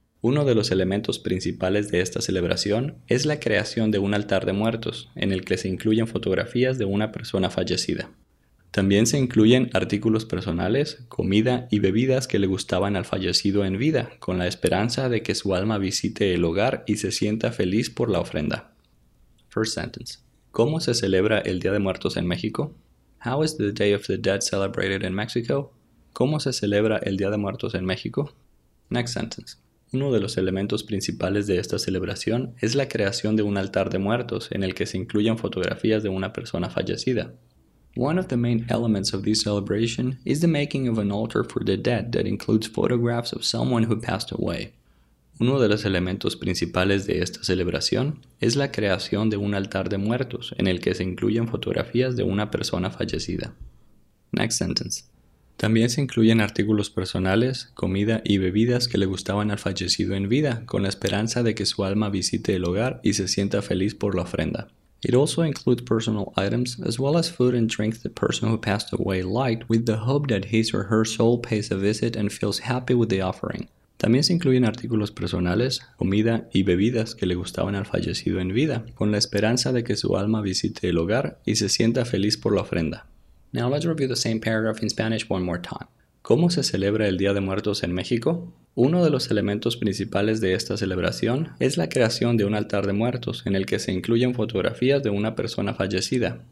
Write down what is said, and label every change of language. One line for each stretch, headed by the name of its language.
Spanish: Uno de los elementos principales de esta celebración es la creación de un altar de muertos, en el que se incluyen fotografías de una persona fallecida. También se incluyen artículos personales, comida y bebidas que le gustaban al fallecido en vida, con la esperanza de que su alma visite el hogar y se sienta feliz por la ofrenda.
English: First sentence.
Spanish: ¿Cómo se celebra el Día de Muertos en México?
English: How is the Day of the Dead celebrated in Mexico?
Spanish: ¿Cómo se celebra el Día de Muertos en México?
English: Next sentence.
Spanish: Uno de los elementos principales de esta celebración es la creación de un altar de muertos en el que se incluyen fotografías de una persona fallecida.
English: One of the main elements of this celebration is the making of an altar for the dead that includes photographs of someone who passed away.
Spanish: Uno de los elementos principales de esta celebración es la creación de un altar de muertos en el que se incluyen fotografías de una persona fallecida.
English: Next sentence.
Spanish: También se incluyen artículos personales, comida y bebidas que le gustaban al fallecido en vida, con la esperanza de que su alma visite el hogar y se sienta feliz por la ofrenda.
English: It also includes personal items, as well as food and drinks the person who passed away liked, with the hope that his or her soul pays a visit and feels happy with the offering.
Spanish: También se incluyen artículos personales, comida y bebidas que le gustaban al fallecido en vida, con la esperanza de que su alma visite el hogar y se sienta feliz por la ofrenda.
English: Now let's review the same paragraph in Spanish one more time.
Spanish: ¿Cómo se celebra el Día de Muertos en México? Uno de los elementos principales de esta celebración es la creación de un altar de muertos en el que se incluyen fotografías de una persona fallecida.